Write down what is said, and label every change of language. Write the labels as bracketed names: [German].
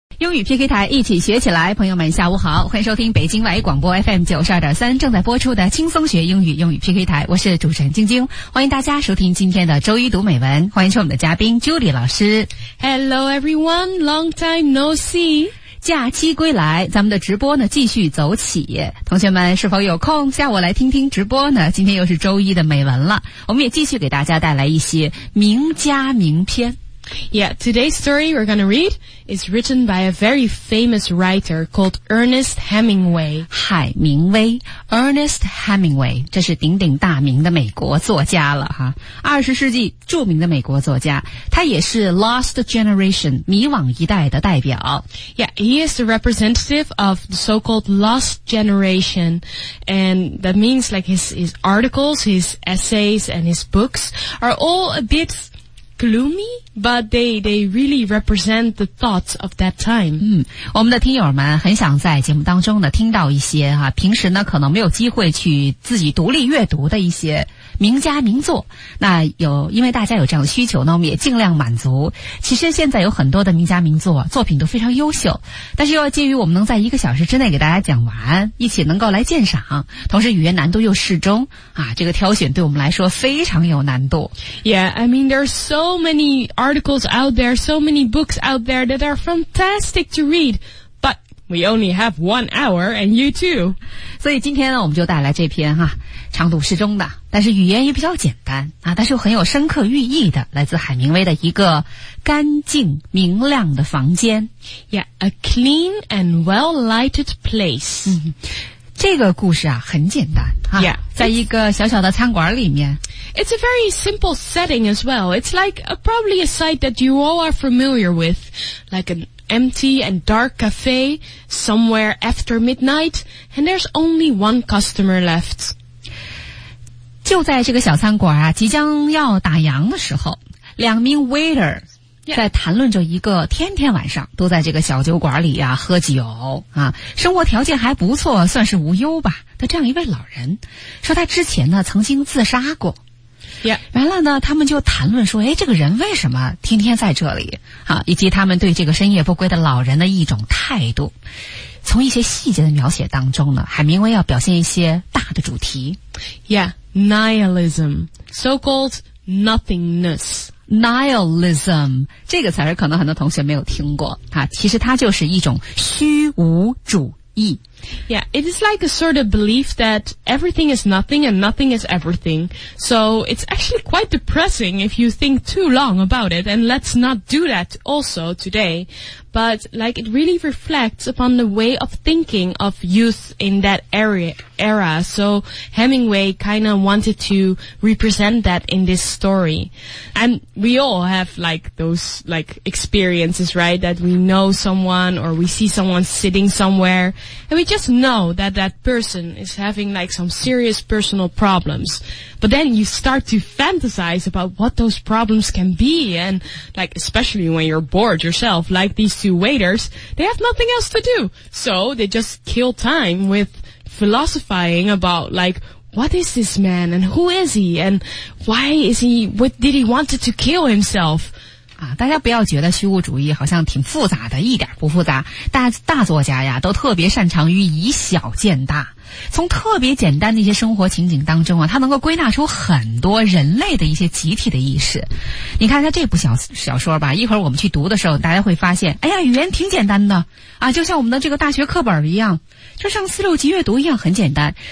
[Chinese] 英语 PK 台一起学起来，朋友们下午好，欢迎收听北京外语广播 FM92.3 正在播出的轻松学英语英语 PK 台，我是主持人晶晶，欢迎大家收听今天的周一读美文，欢迎收我们的嘉宾 Julie 老师。 [English] Hello everyone, long time no see. [Chinese] 假期归来，咱们的直播呢继续走起，同学们是否有空下午来听听直播呢？今天又是周一的美文了，我们也继续给大家带来一些名家名篇。 [English] Yeah, today's story we're going to read is written by a very famous writer called Ernest Hemingway. [Chinese] 海明威 ,Ernest Hemingway, 这是鼎鼎大名的美国作家了哈。二十世纪著名的美国作家，他也是 Lost Generation, 迷惘一代的代表。 [English] Yeah, he is the representative of the so-called Lost Generation, and that means like his articles, his essays, and his books are all a bit... gloomy, but they really represent the thoughts of that time. [Chinese] 嗯，我们的听友们很想在节目当中呢听到一些哈、啊，平时呢可能没有机会去自己独立阅读的一些名家名作。那有，因为大家有这样的需求呢，我们也尽量满足。其实现在有很多的名家名作，作品都非常优秀，但是又要介于我们能在一个小时之内给大家讲完，一起能够来鉴赏，同时语言难度又适中啊，这个挑选对我们来说非常有难度。 [English] Yeah, I mean there's so many articles out there, so many books out there that are fantastic to read, but we only have 1 hour and you too. [Chinese] 所以今天呢我们就带来这篇哈，长度适中的，但是语言也比较简单啊，但是很有深刻寓意的，来自海明威的一个干净明亮的房间。 [English] Yeah, a clean and well-lighted place.、 [Chinese] 嗯，这个故事啊很简单啊， [English] yeah, [Chinese] 在一个小小的餐馆里面。 [English] It's a very simple setting as well. It's like a, probably a site that you all are familiar with, like an empty and dark cafe somewhere after midnight, and there's only one customer left. [Chinese] 就在这个小餐馆啊即将要打烊的时候，两名 waiter在谈论着一个天天晚上都在这个小酒馆里啊喝酒啊，生活条件还不错，算是无忧吧的这样一位老人，说他之前呢曾经自杀过。 [English] Yeah. [Chinese] 完了呢他们就谈论说，诶，这个人为什么天天在这里啊，以及他们对这个深夜不归的老人的一种态度。从一些细节的描写当中呢，海明威要表现一些大的主题。 [English] Yeah, nihilism, so-called nothingness. [Chinese] Nihilism 这个词儿可能很多同学没有听过啊，其实它就是一种虚无主义。 [English] Yeah, it is like a sort of belief that everything is nothing and nothing is everything. So it's actually quite depressing if you think too long about it, and let's not do that also today. But like it really reflects upon the way of thinking of youth in that era. So Hemingway kind of wanted to represent that in this story. And we all have like those like experiences, right? That we know someone or we see someone sitting somewhere and we just know that that person is having like some serious personal problems. But then you start to fantasize about what those problems can be, and like especially when you're bored yourself, like these two waiters, they have nothing else to do. So they just kill time with philosophizing about like, what is this man and who is he and why is he, what did he want to kill himself? [Chinese] 啊，大家不要觉得虚无主义好像挺复杂的，一点不复杂。大作家呀，都特别擅长于以小见大，从特别简单的一些生活情景当中啊，他能够归纳出很多人类的一些集体的意识。你看他这部小说吧，一会儿我们去读的时候，大家会发现，哎呀，语言挺简单的啊，就像我们的这个大学课本一样，就像四六级阅读一样很简单。